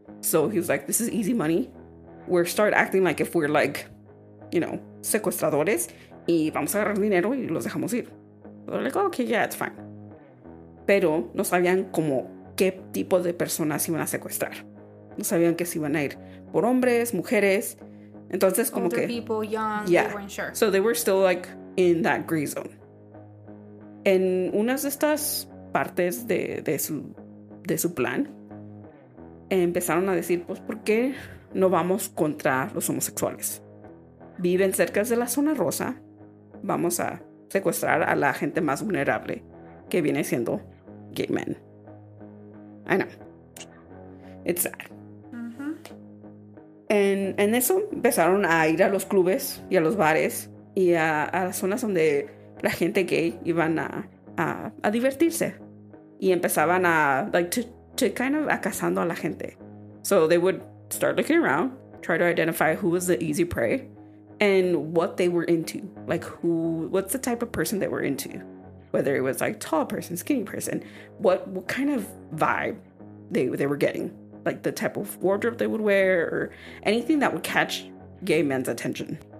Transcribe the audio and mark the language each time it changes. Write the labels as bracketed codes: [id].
[en] So he was like, this is easy money. We're start acting like if we're like, you know, secuestradores y vamos a agarrar dinero y los dejamos ir. So they're like, oh, okay, yeah, it's fine. [es] Pero no sabían como qué tipo de personas iban a secuestrar. No sabían que se iban a ir por hombres, mujeres. Entonces, como [en] older people, young, they weren't sure. So they were still like in that gray zone. [es] En unas de estas partes de su plan, empezaron a decir, pues, ¿por qué no vamos contra los homosexuales? Viven cerca de la zona rosa. Vamos a secuestrar a la gente más vulnerable, que viene siendo gay men. I know. It's sad. En eso empezaron a ir a los clubes y a los bares y a las zonas donde la gente gay iban a divertirse. Y empezaban a, like, to kind of a cazando a la gente. [en] So they would start looking around, try to identify who was the easy prey and what they were into. Like, what's the type of person they were into? Whether it was, like, tall person, skinny person. What kind of vibe they were getting? Like the type of wardrobe they would wear or anything that would catch gay men's attention.